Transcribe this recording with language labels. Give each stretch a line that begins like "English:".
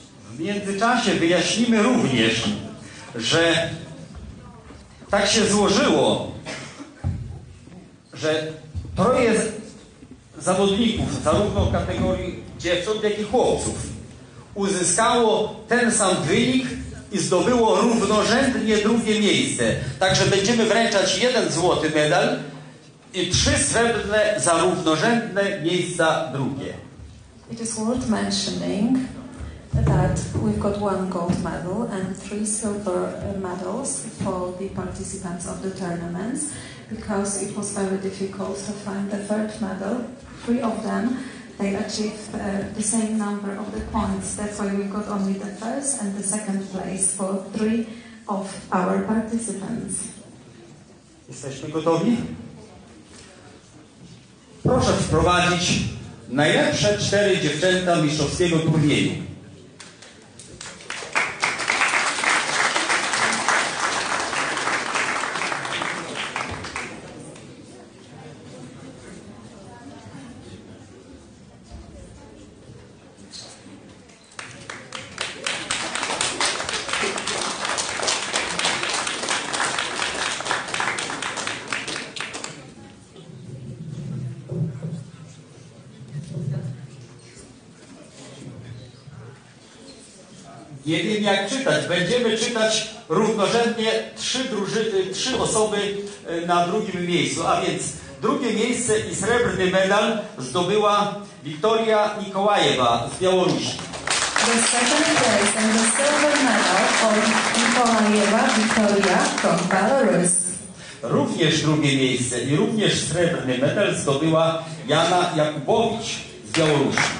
Polish: W międzyczasie wyjaśnimy również, że tak się złożyło, że troje zawodników, zarówno w kategorii dziewcząt, jak i chłopców, uzyskało ten sam wynik i zdobyło równorzędnie drugie miejsce. Także będziemy wręczać jeden złoty medal i trzy srebrne za równorzędne miejsca drugie.
English: It is worth mentioning that we've got one gold medal and three silver medals for the participants of the tournaments, because it was very difficult to find the third medal. Three of them, they achieved the same number of the points. That's why we got only the first and the second place for three of our participants.
Polish: Jesteśmy gotowi? Proszę wprowadzić najlepsze cztery dziewczęta mistrzowskiego turnieju. Nie wiem, jak czytać. Będziemy czytać równorzędnie trzy osoby na drugim miejscu. A więc drugie miejsce i srebrny medal zdobyła Wiktoria Nikołajewa z Białorusi.
English: The second place and the silver medal for Nikołajewa Wiktoria from Belarus.
Polish: Również drugie miejsce i również srebrny medal zdobyła Jana Jakubowicz z Białorusi.